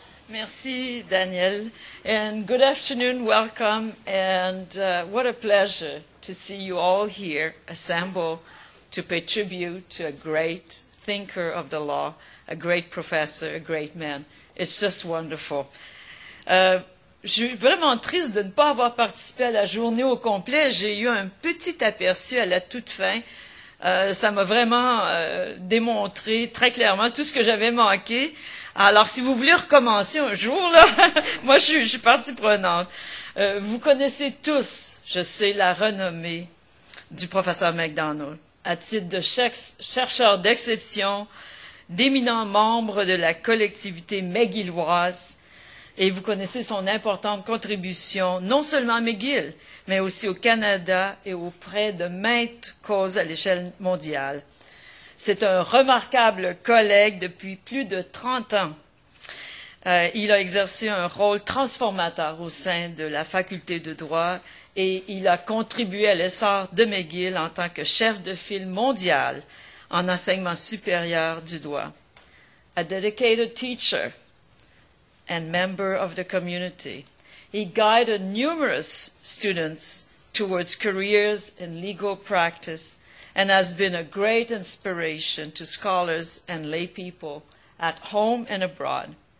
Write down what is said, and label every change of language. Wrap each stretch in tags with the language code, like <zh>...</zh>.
<en>Merci, Daniel, and good afternoon, welcome, and what a pleasure to see you all here assembled to pay tribute to a great thinker of the law, a great professor, a great man. It's just wonderful.</en> <fr>Je suis vraiment triste de ne pas avoir participé à la journée au complet. J'ai eu un petit aperçu à la toute fin. Ça m'a vraiment démontré très clairement tout ce que j'avais manqué. Alors, si vous voulez recommencer un jour, là, moi, je suis partie prenante. Vous connaissez tous, je sais, la renommée du professeur McDonald. À titre de chercheur d'exception, d'éminent membre de la collectivité McGilloise, et vous connaissez son importante contribution, non seulement à McGill, mais aussi au Canada et auprès de maintes causes à l'échelle mondiale. C'est un remarquable collègue depuis plus de 30 ans. Il a exercé un rôle transformateur au sein de la faculté de droit et il a contribué à l'essor de McGill en tant que chef de file mondial en enseignement supérieur du droit.</fr> <en>A dedicated teacher and member of the community, he guided numerous students towards careers in legal practice and has been a great inspiration to scholars and lay people at home and abroad.</en>